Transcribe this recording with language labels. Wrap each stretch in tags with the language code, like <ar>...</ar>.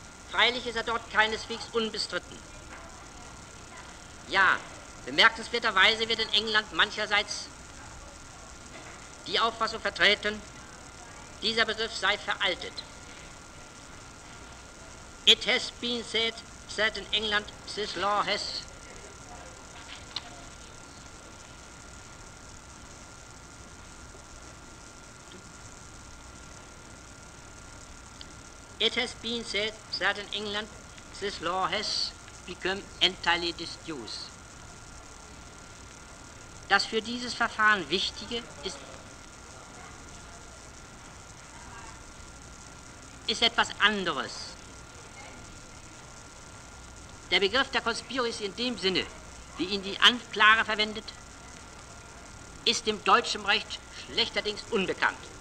<de>Freilich ist er dort keineswegs unbestritten. Ja, bemerkenswerterweise wird in England mancherseits die Auffassung vertreten, dieser Begriff sei veraltet.</de> <en>It has been said that in England this law has... It has been said that in England this law has become entirely disused.</en> <de>Das für dieses Verfahren Wichtige ist etwas anderes. Der Begriff der Conspiracy in dem Sinne, wie ihn die Anklage verwendet, ist dem deutschen Recht schlechterdings unbekannt.</de>